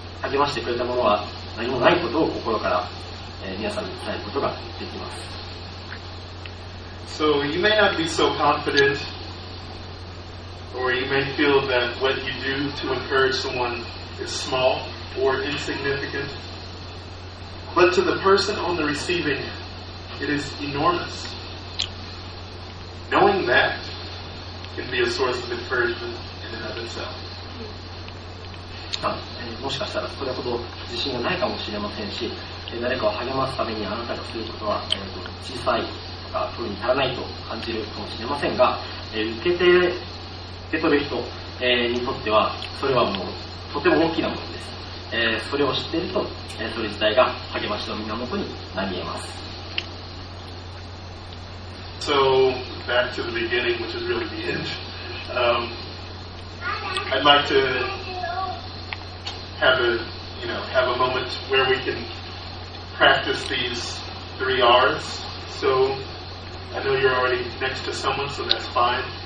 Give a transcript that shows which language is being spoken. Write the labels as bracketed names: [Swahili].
[Japanese] 励ましてくれたものは何もないことを心から、皆さんに伝えることができます。 [English] So you may not be so confident or you may feel that what you do to encourage someone is small or insignificant, but to the person on the receiving it is enormous. Knowing that can be a source of encouragement in and of itself. [Japanese] もしかしたらそれほど自信がないかもしれませんし、誰かを励ますためにあなたがすることは小さいとか取るに足らないと感じるかもしれませんが、受け取る人にとってはそれはもうとても大きなものです。それを知っているとそれ自体が励ましの源になり得ます。 [English] So back to the beginning, which is really the end. I'd like toHave a moment where we can practice these three R's. So I know you're already next to someone, so that's fine.